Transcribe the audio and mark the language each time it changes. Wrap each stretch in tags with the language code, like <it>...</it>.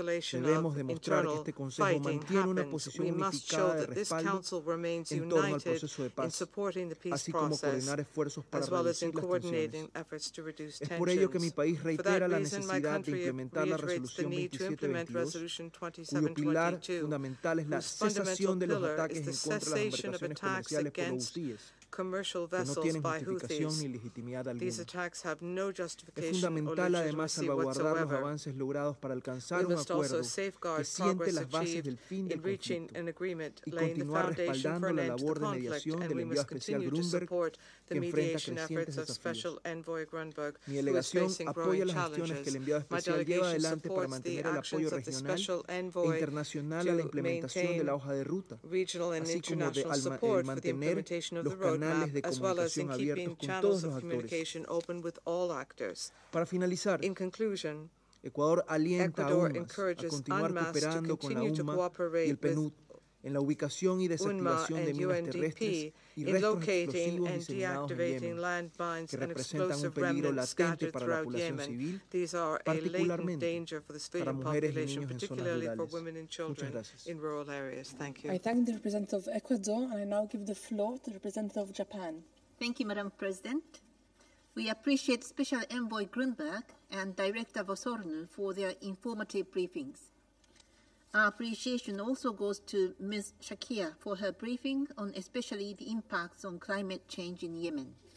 <es>Debemos demostrar que este Consejo mantiene una posición unificada de respaldo en torno al proceso de paz, así como coordinar esfuerzos para reducir las tensiones. Es por ello que mi país reitera la necesidad de implementar la Resolución 2722, cuyo pilar fundamental es la cesación de los ataques en contra de las embarcaciones comerciales por los hutíes,</es> <en>commercial vessels by Houthis. These attacks have no justification or legitimacy whatsoever. We must also safeguard progress achieved in reaching an agreement laying the foundation for an end to the conflict, and we must continue to support the mediation efforts of Special Envoy Grunberg, who is facing growing challenges. My delegation supports the actions of the Special Envoy to maintain regional and international support for the implementation of the road. As well as in keeping channels of communication open with all actors.</en> <es>Para finalizar,</es> <en>in conclusion,</en> <es>Ecuador alienta</es> <en>Ecuador encourages UNMAS to continue to cooperate with</en> <es>en la ubicación y desactivación de minas terrestres y restos explosivos diseminados en Yemen, que representan un peligro latente para la población civil, particularmente para mujeres y niños en zonas rurales. Muchas gracias.</es> <en>I thank the representative of Ecuador, and I now give the floor to the representative of Japan. Thank you, Madam President. We appreciate Special Envoy Grunberg and Director Vosoorinen for their informative briefings. Our appreciation also goes to Ms. Shakir for her briefing on especially the impacts on climate change in Yemen.</en>